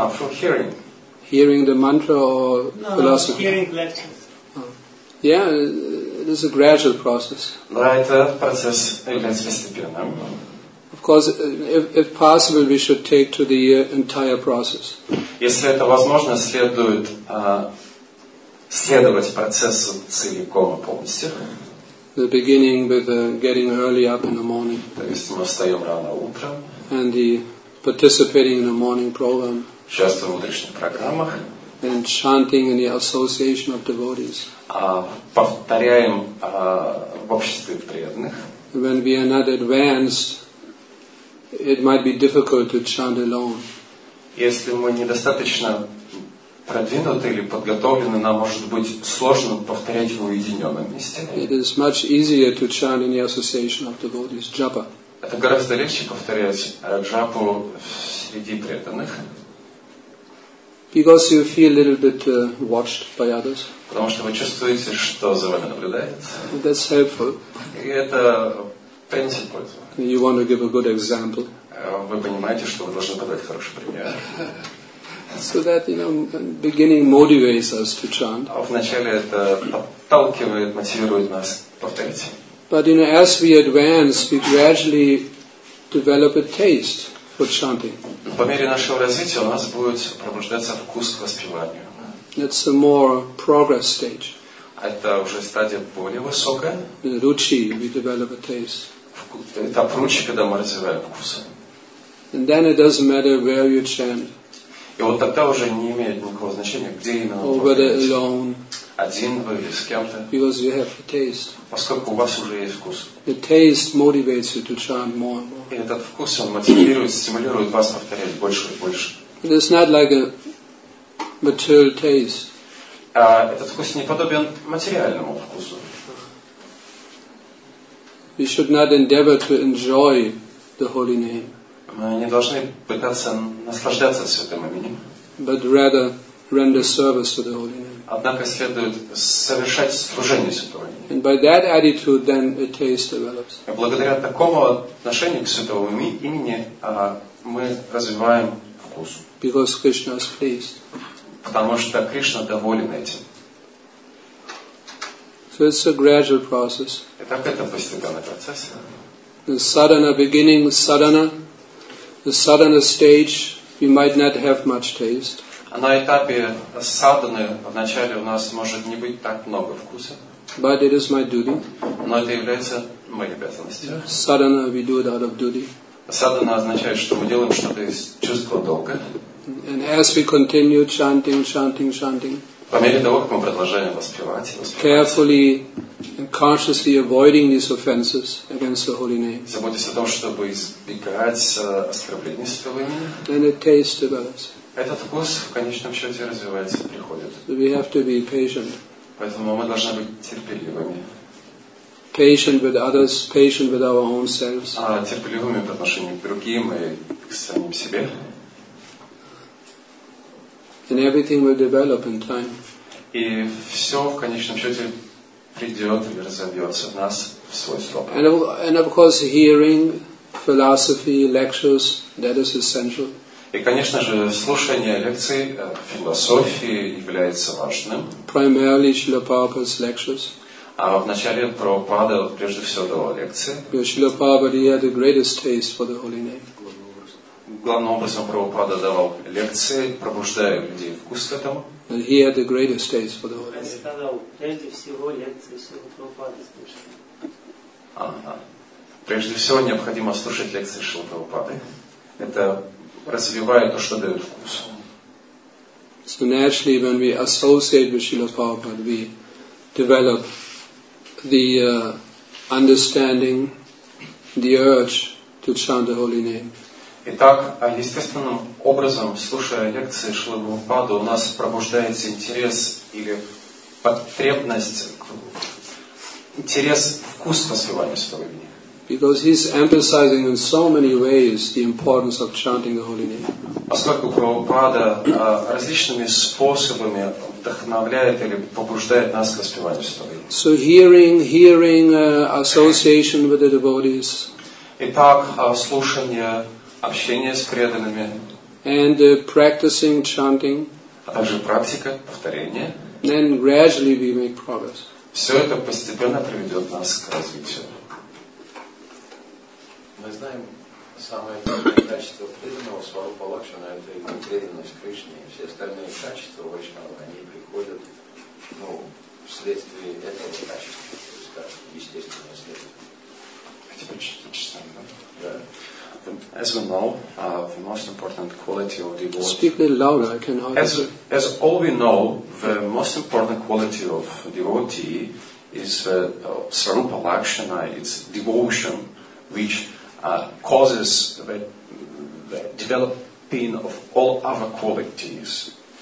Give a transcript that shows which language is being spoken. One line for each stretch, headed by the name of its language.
English: Through hearing. Hearing the mantra or philosophy? No, hearing lectures. It is a gradual process. Of course, if possible, we should take to the entire process.
Russian: Если это возможно, следует следовать процессу целиком и полностью.
English: The beginning with getting early up in the morning.
Russian: То есть мы встаем рано утром.
English: And the participating in the morning program.
Russian: Участвуем в утренних программах.
English: And chanting in the association of devotees.
Russian: Повторяем в обществе преданных.
English: When we are not advanced, it might be difficult to chant alone.
Russian: Если мы недостаточно продвинуты или подготовлены, нам может быть сложно повторять в уединенном месте.
English: It is much easier to chant in the association of devotees, japa.
Russian: Это гораздо легче повторять джапу среди преданных.
English: Because you feel a little bit watched by others.
Russian: Потому что вы чувствуете, что за вами наблюдают.
English: That's helpful.
Russian: И это принцип пользы.
English: You want to give a good example.
Russian: Вы понимаете, что вы должны подать хороший пример.
English: So that, you know, beginning motivates us to chant.
Russian: А вначале это подталкивает, мотивирует нас повторять.
English: But, you know, as we advance, we gradually develop a taste.
Russian: По мере нашего развития у нас будет пробуждаться вкус к воспеванию.
English: That's a more progress stage.
Russian: Это уже стадия более высокая.
English: Ручи, we develop a taste.
Russian: Этап ручи, когда мы развиваем вкус.
English: And then it doesn't matter where you chant.
Russian: И вот тогда уже не имеет никакого значения, где именно.
English: Or whether alone.
Russian: Один вы с кем-то.
English: Because you have the taste.
Russian: Поскольку у вас уже есть вкус.
English: The taste motivates you to chant more and more.
Russian: И этот вкус он мотивирует, стимулирует вас повторять больше и больше.
English: It is not like a material taste.
Russian: Этот вкус не подобен материальному вкусу.
English: We should not endeavor to enjoy the holy name.
Russian: Мы не должны пытаться наслаждаться святым именем.
English: But rather render service to the holy name.
Russian: Однако следует совершать служение святому имени.
English: And by that attitude, then a taste develops.
Russian: И благодаря такому отношению к святому имени мы развиваем вкус.
English: Because Krishna is pleased.
Russian: Потому что Кришна доволен этим.
English: So it's a gradual process.
Russian: Итак, это постепенный процесс.
English: The sadhana beginning, sadhana, the sadhana stage, we might not have much taste.
Russian: А на этапе садханы вначале у нас может не быть так много вкуса.
English: But it is my duty.
Russian: Но это является моей обязанностью.
English: Sadhana, we do it out of duty.
Russian: Садхана означает, что мы делаем что-то из чувства долга.
English: And as we continue chanting, chanting, chanting,
Russian: по мере того, как мы продолжаем воспевать,
English: carefully and consciously avoiding these offenses against the holy name,
Russian: заботиться о том, чтобы избегать оскорблений святого имени,
English: then a taste develops.
Russian: Этот вкус в конечном счете развивается, приходит.
English: So we have to be patient.
Russian: Поэтому мы должны быть терпеливыми.
English: Patient with others, patient with our own selves.
Russian: Терпеливыми по отношению к другим и к самим себе.
English: And everything will develop in time.
Russian: И все в конечном счете придет или разовьется в нас в свой срок.
English: And of course, hearing philosophy lectures, that is essential.
Russian: И конечно же слушание лекций философии является важным.
English: Primarily Srila Prabhupada's lectures.
Russian: А в начале Прабхупада прежде всего давал лекции.
English: Because Srila Prabhupada had the greatest taste for the holy name.
Russian: Главным образом Прабхупада давал лекции, пробуждая людей вкус к этому.
English: And he had the greatest taste for the holy name.
Russian: Я сказал, прежде всего лекции Шрилы Прабхупады слушать. Ага. Прежде всего необходимо слушать лекции Шрилы Прабхупады. Это развивает то, что дает вкус.
English: So naturally, when we associate with Srila Prabhupada, we develop the understanding, the urge to chant the holy name.
Russian: Итак, естественным образом, слушая лекции Шрилы Прабхупады, у нас пробуждается интерес или потребность, интерес, вкус к воспеванию святого имени.
English: Because he's emphasizing in so many ways the importance of chanting the holy name.
Russian: Поскольку Прабхупада различными способами вдохновляет или побуждает нас к воспеванию святого имени.
English: So hearing association with the devotees.
Russian: Итак, слушание, общение с преданными.
English: And practicing chanting.
Russian: А также практика, повторение.
English: Then gradually we make progress.
Russian: Все это постепенно приведет нас к развитию. Мы знаем самое главное качество преданного Сварупа Лакшмана, это его преданность Кришне. И все остальные качества Вайшнава, они приходят вследствие этого качества. То есть, как естественное следствие. Хотя бы чуть-чуть. Да.
English: As we know, the most important quality of devotee. Speak a little louder, I can hardly. As all we know, the most important quality of devotee is Sarupa Lakshana, its devotion, which causes the developing of all other qualities.